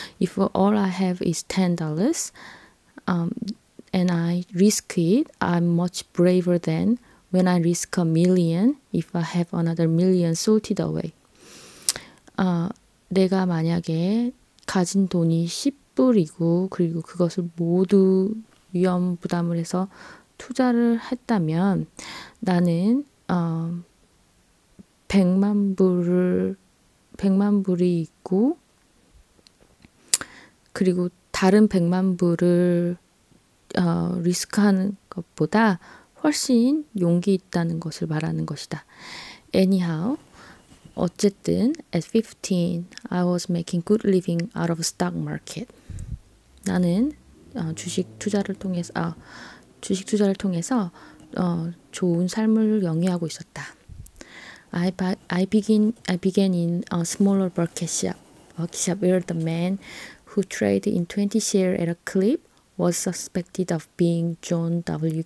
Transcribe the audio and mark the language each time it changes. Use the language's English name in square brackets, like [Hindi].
[English] If all I have is $10, and I risk it, I'm much braver than when I risk a million if I have another million salted away. [Korean] 내가 만약에 가진 돈이 10불이고, 그리고 그것을 모두 위험 부담을 해서 투자를 했다면, 나는 100만 불이 있고, 그리고 다른 100만 불을 리스크하는 것보다 훨씬 용기 있다는 것을 말하는 것이다. [English] Anyhow, [Korean] 어쨌든 [English] at 15, I was making good living out of stock market. [Korean] 나는 주식 투자를 통해서 좋은 삶을 영위하고 있었다. [English] I began in a smaller bucket shop, a shop where the man who traded in 20 shares at a clip was suspected of being John W.